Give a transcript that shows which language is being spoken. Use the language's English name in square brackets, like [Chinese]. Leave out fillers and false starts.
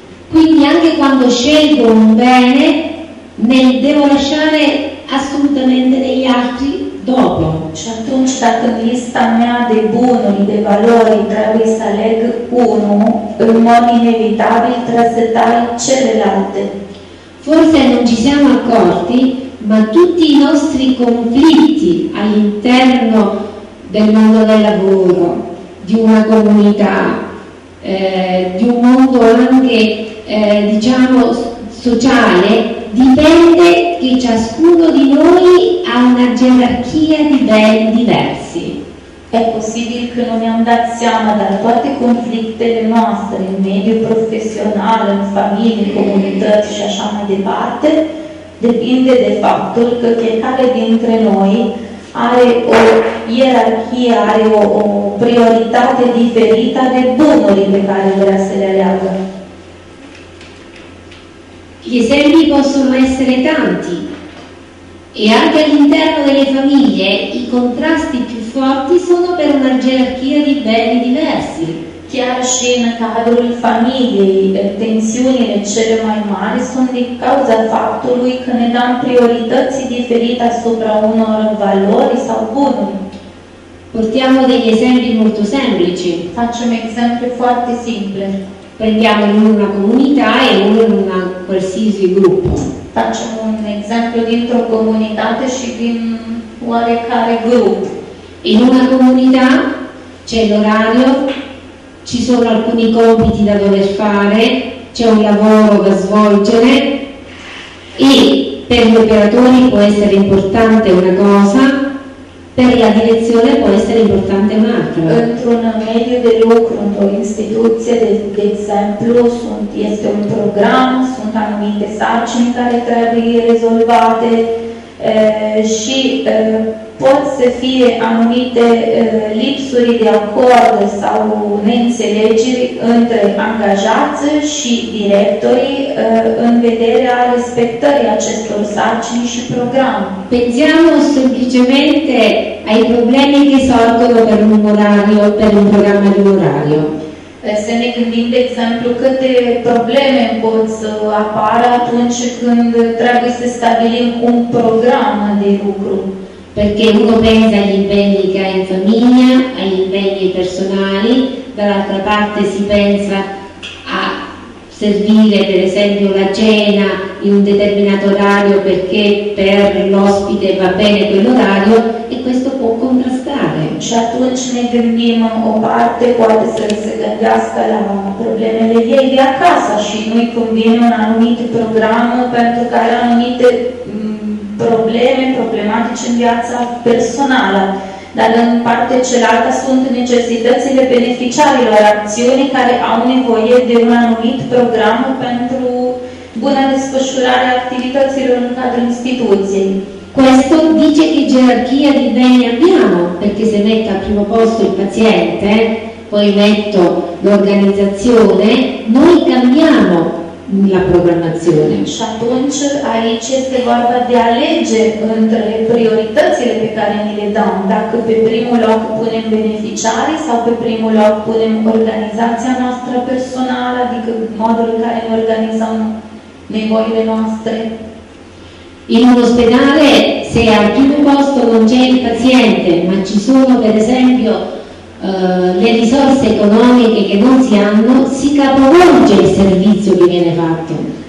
[Italian] Quindi anche quando scelgo un bene, ne devo lasciare assolutamente degli altri dopo. [Romanian] Și atunci, dacă în lista mea de bunuri, de valori, trebuie să aleg unul, în mod inevitabil trebuie să tai celelalte. [Italian] Forse non ci siamo accorti, ma tutti i nostri conflitti all'interno del mondo del lavoro, di una comunità, di un mondo anche diciamo sociale, dipende che ciascuno di noi ha una gerarchia di beni diversi. È possibile che non ne andiamo [Romanian] seama dal toate conflictele noastre [Italian] in medio professionale, in famiglie, comunità [Romanian] e așa mai departe, depinde de faptul că fiecare dintre noi are o ierarhie, are o prioritate diferită de bunurile pe care vrea să le aleagă. [Italian] Gli esempi possono essere tanti e anche all'interno delle famiglie i contrasti più forti sono per una gerarchia di beni diversi. [Romanian] Chiar și în cadrul familiei, tensiunile cele mai mari sunt din cauza faptului că ne dăm priorități diferite asupra unor valori sau bunuri. [Italian] Portiamo degli esempi molto semplici. [Romanian] Facem exemple foarte simple. [Italian] Prendiamo in una comunità e uno in un qualsiasi gruppo. [Romanian] Facem un esempio dintr-o comunitate și din oarecare grup. [Italian] In una comunità c'è l'orario, ci sono alcuni compiti da dover fare, c'è un lavoro da svolgere e per gli operatori può essere importante una cosa, per la direzione può essere importante un'altra. [Romanian] Într-un mediu de lucru, într-o instituție, de exemplu, este un program, sunt anumite sarcini care trebuie rezolvate, și pot să fie anumite lipsuri de acord sau neînțelegeri între angajați și directorii în vederea respectării acestor sarcini și programe. [Italian] Pensiamo semplicemente ai problemi che sorgono per un orario, per un programma di orario. [Romanian] Să ne gândim, de exemplu, câte probleme pot să apară atunci când trebuie să stabilim un program de lucru. [Italian] Perché uno pensa agli impegni che ha in famiglia, agli impegni personali, dall'altra parte si pensa a servire per esempio la cena in un determinato orario perché per l'ospite va bene quell'orario e questo può contrastare. [Romanian] Și atunci ne gândim o parte poate să se gândească la problemele ei de acasă și nu-i convine un anumit program pentru care anumite probleme, problematice în viața personală, dar în partea cealaltă sunt necesitățile beneficiarilor acțiunii care au nevoie de un anumit program pentru buna desfășurare a activităților în cadrul instituției. [Italian] Questo dice che gerarchia di beni abbiamo, perché se metto al primo posto il paziente, poi metto l'organizzazione, noi cambiamo la programmazione. [Romanian] Și atunci aici este vorba de alege între prioritățile pe care ni le dăm. Dacă pe primul loc punem beneficiarii sau pe primul loc punem organizația noastră personală, adică modul în care ne organizăm nevoile noastre. [Italian] In un ospedale, se al primo posto non c'è il paziente, ma ci sono per esempio le risorse economiche che non si hanno, si capovolge il servizio che viene fatto.